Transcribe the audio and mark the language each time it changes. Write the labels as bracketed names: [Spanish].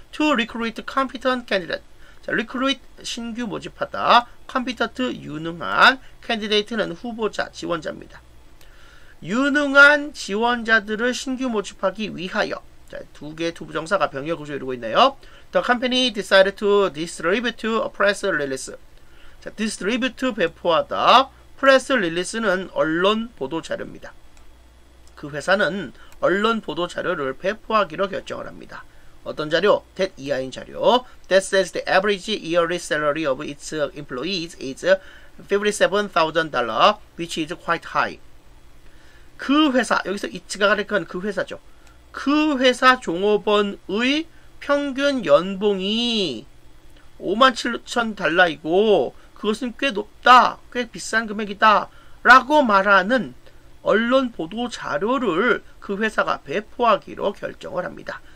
[English] To recruit competent candidate. 자, recruit, [Korean] 신규 모집하다. competent, 유능한. candidate는 후보자, 지원자입니다. 유능한 지원자들을 신규 모집하기 위하여. 자, 두 개의 to 부정사가 병역구조 이루고 있네요. [English] The company decided to distribute a press release. [Korean] 자, distribute, 배포하다. press release는 언론 보도 자료입니다. 그 회사는 언론 보도 자료를 배포하기로 결정을 합니다. 어떤 자료? That 이하인 자료. [English] That says the average yearly salary of its employees is $57,000, which is quite high. [Korean] 그 회사, 여기서 it가 가리킨 그 회사죠. 그 회사 종업원의 평균 연봉이 $57,000이고 그것은 꽤 높다, 꽤 비싼 금액이다 라고 말하는 언론 보도 자료를 그 회사가 배포하기로 결정을 합니다.